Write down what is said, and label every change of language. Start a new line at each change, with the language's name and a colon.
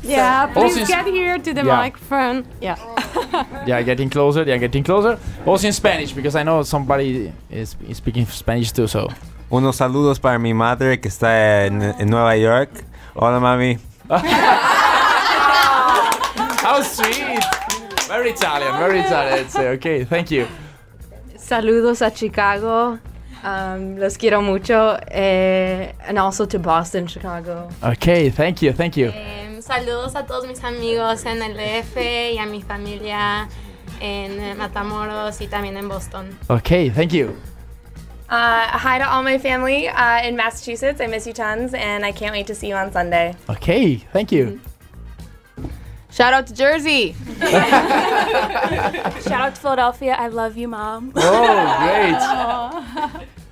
English: Yeah, please also get here to the microphone. Yeah. They are getting closer. Also in Spanish, because I know somebody is speaking Spanish too, so.
Spanish: Unos saludos para mi madre que está en Nueva York. Hola, mami.
English: How sweet. Very Italian. Say, okay, thank you.
Spanish: Saludos a Chicago. Los quiero mucho.
English: And also to Boston, Chicago. Okay, thank you.
Spanish: Saludos a todos mis amigos en el DF y a mi familia en Matamoros y también en Boston.
English: Okay, thank you. Hi to all my family in Massachusetts. I miss you tons, and I can't wait to see you on Sunday. Okay, thank you. Shout out to Jersey. Shout out to Philadelphia. I love you, Mom. Oh, great.